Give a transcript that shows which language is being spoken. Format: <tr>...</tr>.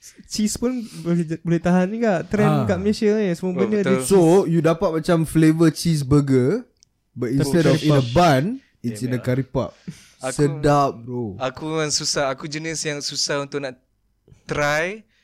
<ms>Cheese pun boleh tahan juga. Trend kat Malaysia ni semua benda dia.</ms> <en>So you dapat macam flavour cheeseburger, but instead of in a bun, it's in a curry pop.</en> <ms>Sedap bro. Aku memang susah. Aku jenis yang susah untuk nak try.</ms>